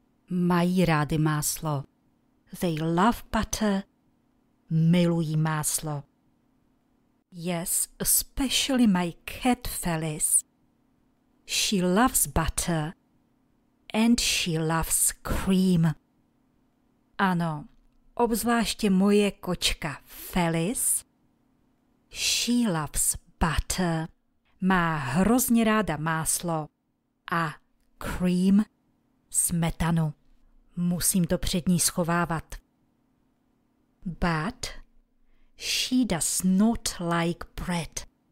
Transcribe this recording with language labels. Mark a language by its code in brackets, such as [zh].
[cs] Mají rády máslo. [en] They love butter. [cs] Milují máslo. [en] Yes, especially my cat Phyllis. She loves butter and she loves cream. [cs] Ano, obzvláště moje kočka Phyllis. [en] She loves butter. [cs] Má hrozně ráda máslo a cream, smetanu. Musím to před ní schovávat. [en] But she does not like bread.